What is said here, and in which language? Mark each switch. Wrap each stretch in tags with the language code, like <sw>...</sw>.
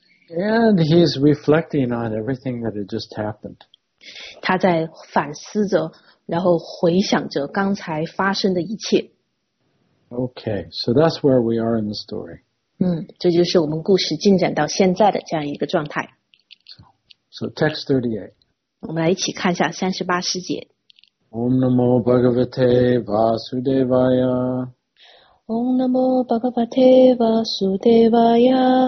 <en>And he's reflecting on everything that had just happened.</en> <zh>他在反思着 然后回想着刚才发生的一切。</zh> <en>Okay, so that's where we are in the story.</en> <zh>这就是我们故事进展到现在的这样一个状态。</zh> <en>So text 38.</en> <zh>我们来一起看一下38世界。</zh> <sa>Om Namo Bhagavate Vasudevaya. Om Namo Bhagavate Vasudevaya.</sa>